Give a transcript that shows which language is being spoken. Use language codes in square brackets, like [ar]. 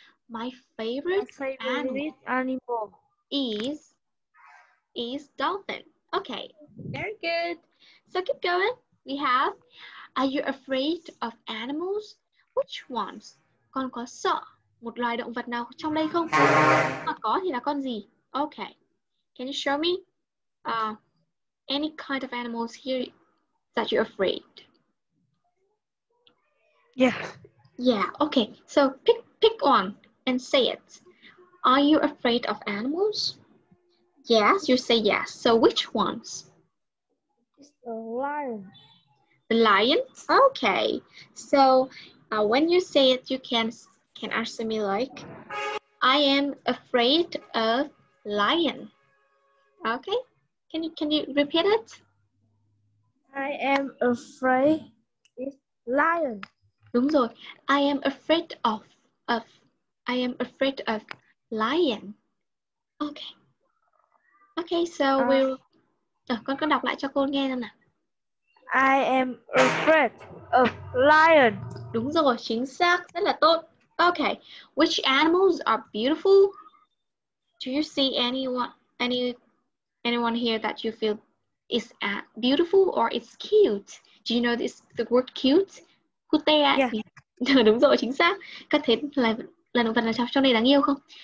[en] My favorite animal is dolphin. Okay. Very good. So keep going. We have, are you afraid of animals? Which ones? [vi] Con có sợ một loài động vật nào trong đây không? Mà có thì là con gì? Okay. [en] Can you show me any kind of animals here that you're afraid? Yeah. Yeah. Okay. So pick one and say it. Are you afraid of animals? Yes, you say yes. So which ones? It's the lion. The lion? Okay. So when you say it, you can answer me like, I am afraid of lion. Okay. Can you repeat it? I am afraid of lion. [vi] Đúng rồi. [en] I am afraid of lion. Okay. Okay, so [vi] con đọc lại cho cô nghe xem nào. [en] I am afraid of lion. [vi] Đúng rồi, chính xác, rất là tốt. [en] Okay. Which animals are beautiful? Do you see anyone here that you feel is beautiful or is cute? Do you know this the word cute? Cute. Yeah. [vi] Đúng rồi, chính xác. Các thế là động vật nào trong này đáng yêu không?